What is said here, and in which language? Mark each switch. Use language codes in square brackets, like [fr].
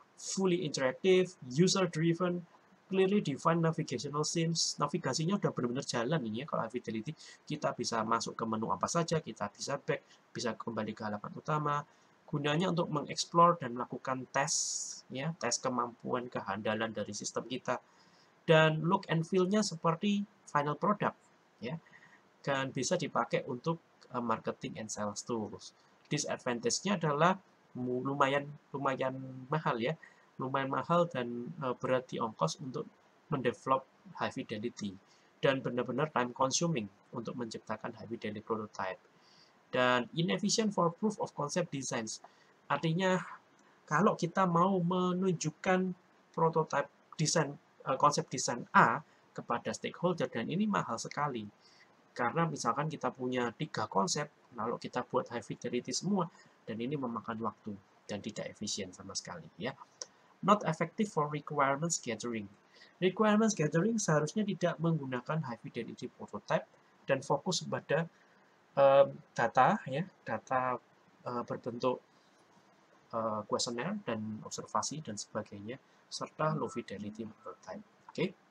[en] fully interactive, user driven, clearly defined navigational scenes. [id] Navigasinya udah benar-benar jalan ini ya. Kalau Fidelity, kita bisa masuk ke menu apa saja, kita bisa back, bisa kembali ke halaman utama. Gunanya untuk mengeksplor dan melakukan tes, ya, tes kemampuan, kehandalan dari sistem kita. Dan [en] look and feel- [id] nya seperti final product, ya. Dan bisa dipakai untuk [en] marketing and sales tools. [id] Disadvantage-nya adalah lumayan lumayan mahal ya, lumayan mahal dan berat di ongkos untuk mendevelop high fidelity dan benar-benar time consuming untuk menciptakan high fidelity prototype. Dan [en] inefficient for proof of concept designs, [id] artinya kalau kita mau menunjukkan prototype design, konsep desain A kepada stakeholder, dan ini mahal sekali. Karena misalkan kita punya tiga konsep, lalu kita buat high fidelity semua, dan ini memakan waktu dan tidak efisien sama sekali. Ya. [en] Not effective for requirements gathering. [id] Requirements gathering seharusnya tidak menggunakan high fidelity prototype dan fokus pada data, ya, data berbentuk questionnaire dan observasi dan sebagainya, serta low fidelity prototype. Oke. Okay.